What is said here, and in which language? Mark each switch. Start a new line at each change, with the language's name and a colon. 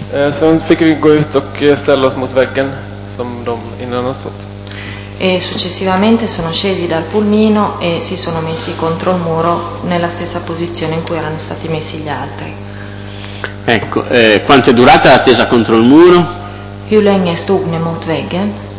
Swedish: Sen fick vi gå ut och ställa oss mot väggen som de innan hade stått.
Italian: E successivamente sono scesi dal pulmino e si sono messi contro il muro nella stessa posizione in cui erano stati messi gli altri. Ecco, quanto è durata l'attesa contro il muro?
Swedish: Più länge stod ni mot väggen?